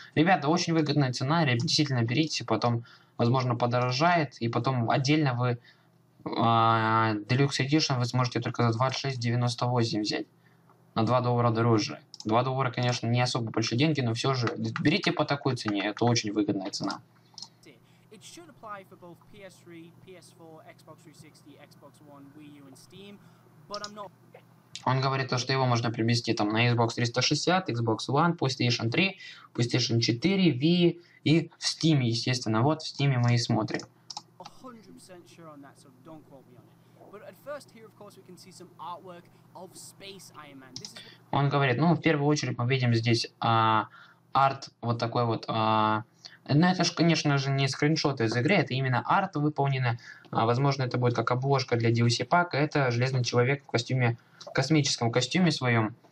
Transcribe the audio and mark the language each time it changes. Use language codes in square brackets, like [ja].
[ru] Ребята, очень выгодная цена, действительно берите, потом, возможно, подорожает, и потом отдельно вы Deluxe Edition вы сможете только за 26,98 взять. На $2 дороже. $2, конечно, не особо большие деньги, но все же берите по такой цене, это очень выгодная цена. [en] It should apply for both PS3, PS4, Xbox 360, Xbox One, Wii U and Steam, but I'm not... [ru] Он говорит то, что его можно привести там на Xbox 360, Xbox One, PlayStation 3, PlayStation 4, Wii и в Steam, естественно. Вот в Steam мы и смотрим. [en] 100% sure on that, so don't quote me on it. But at first here, of course, we can see some artwork of Space Iron Man. This is... [ru] Он говорит, ну, в первую очередь мы видим здесь арт вот такой вот... Но это же, конечно же, не скриншоты из игры, это именно арт выполнено. Возможно, это будет как обложка для DLC пака. Это железный человек в костюме, в космическом костюме своем.